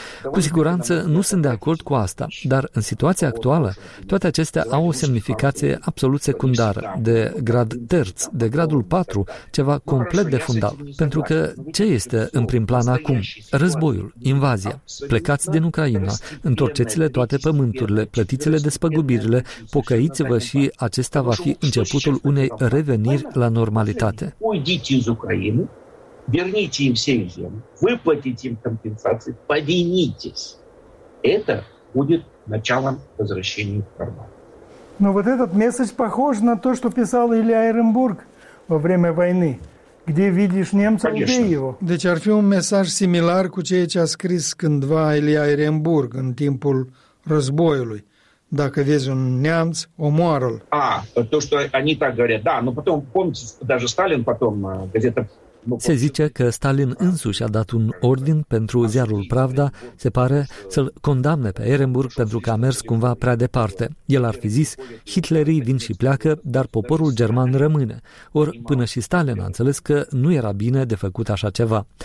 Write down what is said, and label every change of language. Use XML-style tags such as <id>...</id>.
<ro>Cu siguranță nu sunt de acord cu asta, dar în situația actuală, toate acestea au o semnificație absolut secundară, de grad terț, de gradul 4, ceva complet de fundal. Pentru că ce este în prim plan acum? Războiul, invazia. Plecați din Ucraina, întorceți-le toate pământurile, plătiți-le despăgubirile, pocăiți-vă și acesta va fi începutul unei reveniri la normalitate.</ro> <uk>Уйдіть із України, верніть їм всі землі, виплатіть їм компенсації, повинітесь. Це буде началом повернення в нормальність.</uk> <ru>Но вот этот месседж похож на то, что писал Илья Эренбург во время войны, где видишь немца, убей его.</ru> <ro>Deci ar fi un mesaj similar cu ceea ce a scris cândva Илья Эренбург în timpul războiului. Dacă vezi un neamț, omoară-l.</ro> <ru>А, то что они так говорят. Да, но потом помните, даже Сталин потом газета.</ru> <ro>Se zice că Stalin însuși a dat un ordin pentru ziarul Pravda, se pare, să-l condamne pe Ehrenburg pentru că a mers cumva prea departe. El ar fi zis, hitlerii vin și pleacă, dar poporul german rămâne. Ori până și Stalin a înțeles că nu era bine de făcut așa ceva.</ro>